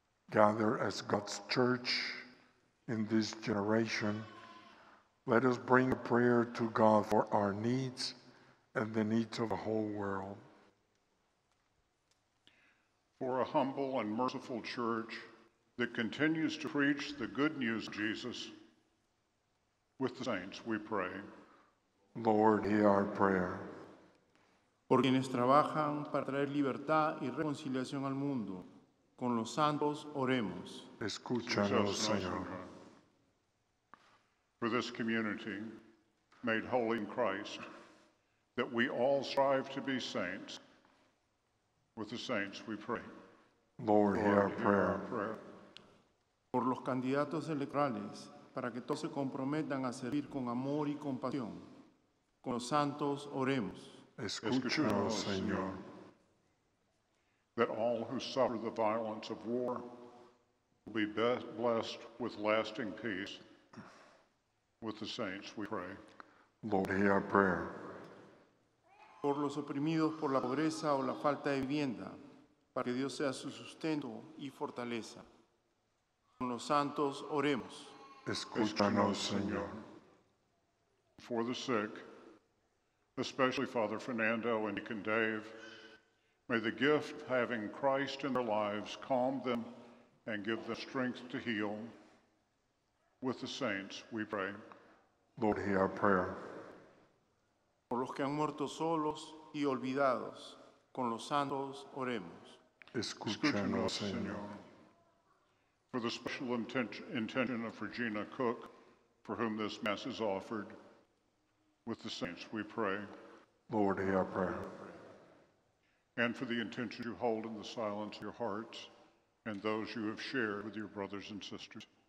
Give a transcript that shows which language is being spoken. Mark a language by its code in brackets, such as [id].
[en] Gather as God's church in this generation, let us bring a prayer to God for our needs and the needs of the whole world. For a humble and merciful church that continues to preach the good news of Jesus, with the saints we pray. Lord, hear our prayer. [es] Por quienes trabajan para traer libertad y reconciliación al mundo, con los santos oremos. Escúchanos, Señor. [en] For this community, made holy in Christ, that we all strive to be saints, with the saints we pray. Lord, hear our prayer. [es] Por los candidatos electorales, para que todos se comprometan a servir con amor y compasión, con los santos oremos. Escúchanos, Señor. [en] That all who suffer the violence of war will be blessed with lasting peace. With the saints we pray. Lord, hear our prayer. [es] Por los oprimidos por la pobreza o la falta de vivienda, para que Dios sea su sustento y fortaleza. Con los santos oremos. Escúchanos, Señor. [en] For the sick, especially Father Fernando and Deacon Dave, may the gift of having Christ in their lives calm them and give them strength to heal. With the saints, we pray. Lord, hear our prayer. [es] Por los que han muerto solos y olvidados, con los santos oremos. Escúchanos, Señor. [en] For the special intention of Regina Cook, for whom this Mass is offered, with the saints, we pray. Lord, hear our prayer. And for the intentions you hold in the silence of your hearts and those you have shared with your brothers and sisters.